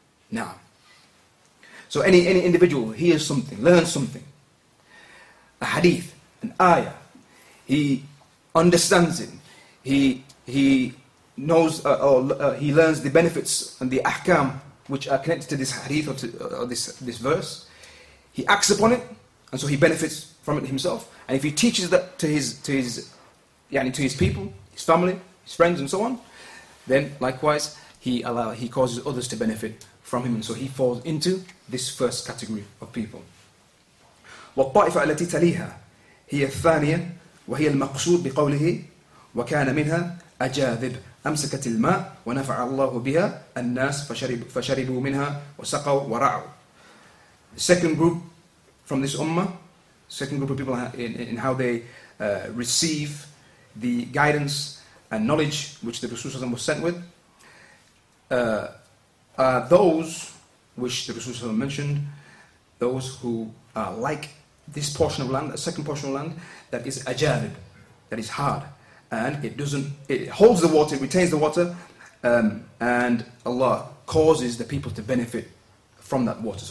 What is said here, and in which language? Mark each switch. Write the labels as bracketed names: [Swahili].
[English] Now, so any individual hears something, learns something, a hadith, an ayah, he understands it, he learns the benefits and the ahkam which are connected to this hadith or this verse, he acts upon it, and so he benefits from it himself. And if he teaches that to his people, his family, his friends, and so on, then likewise he causes others to benefit from him. And so he falls into this first category of people. [Arabic] والطائفة التي تليها هي الثانية وهي المقصود بقوله وكان منها أجاذب أمسكت الماء ونفع الله بها الناس فشربوا منها وسقوا ورعوا. [English] Second group from this ummah, second group of people in how they receive the guidance and knowledge which the Rasul was sent with, are those which the Rasul mentioned, those who are like this portion of land, a second portion of land that is ajarib, that is hard, and it holds the water, it retains the water, and Allah causes the people to benefit from that water.